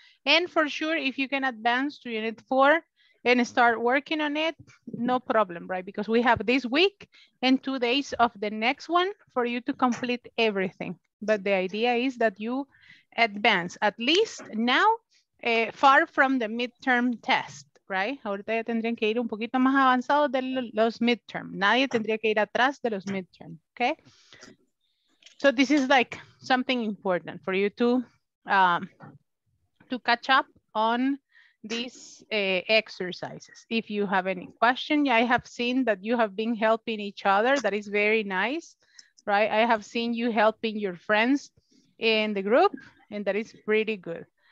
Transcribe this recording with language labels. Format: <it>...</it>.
<en>And for sure, if you can advance to unit 4 and start working on it, no problem, right? Because we have this week and 2 days of the next one for you to complete everything. But the idea is that you advance, at least now, far from the midterm test. Right?</en> <es>Ahorita ya tendrían que ir un poquito más avanzado de los midterm. Nadie tendría que ir atrás de los midterm.</es> <en>Okay? So this is like something important for you to catch up on these exercises. If you have any question, I have seen that you have been helping each other. That is very nice, right? I have seen you helping your friends in the group, and that is pretty good.</en>